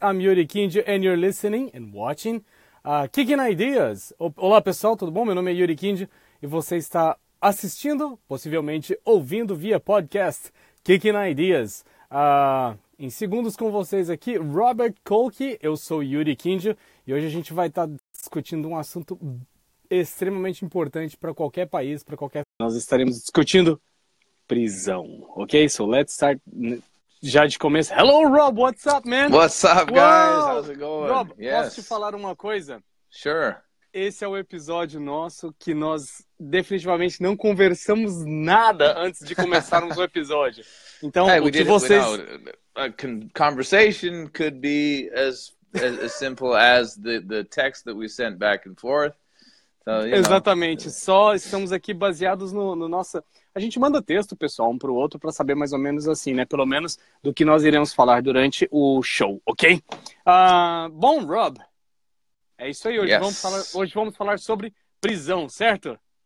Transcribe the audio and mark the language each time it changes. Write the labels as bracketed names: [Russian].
[English] I'm Yuri Kinjo, and you're listening and watching Kicking Ideas. [Portuguese] Olá, pessoal. Tudo bom? Meu nome é Yuri Kinjo e você está assistindo, possivelmente ouvindo via podcast, Kicking Ideas. Em segundos com vocês aqui, Robert Kolke. Eu sou Yuri Kinjo e hoje a gente vai estar discutindo um assunto extremamente importante para qualquer país, para qualquer... Nós estaremos discutindo prisão, ok? [English] So let's start... [Portuguese] Já de começo. [English] Hello, Rob. What's up, man? What's up, guys? How's it going? Rob, yes. [Portuguese] Posso te falar uma coisa? [English] Sure. [Portuguese] Esse é o episódio nosso que nós definitivamente não conversamos nada antes de começarmos o episódio. Então, hey, o que vocês... [English] A conversation could be as simple as the text that we sent back and forth. So, exatamente. Know. [Portuguese] Só estamos aqui baseados no nosso... A gente manda texto, pessoal, um para o outro, para saber mais ou menos assim, né? Pelo menos do que nós iremos falar durante o show, ok? Bom, Rob, é isso aí. Hoje, [English] yes. [Portuguese] Hoje vamos falar sobre prisão, certo?